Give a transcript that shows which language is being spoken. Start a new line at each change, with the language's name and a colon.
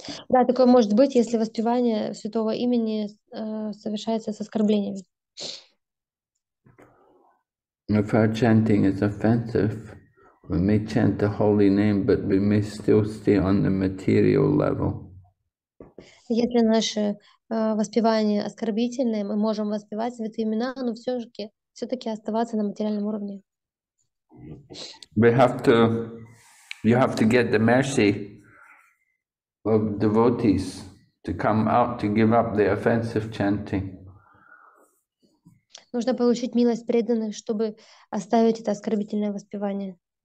Russian: Да, такое может быть, если воспевание святого имени совершается с оскорблениями.
English: If our chanting is offensive, we may chant the holy name, but we may still stay on the material level.
Russian: Если наше воспевание оскорбительное, мы можем воспевать святые имена, но все-таки оставаться на материальном уровне.
English: We have to, you have to get the mercy of devotees to come out to give up the offensive chanting.
Russian: Нужно получить милость преданных, чтобы оставить это оскорбительное воспевание.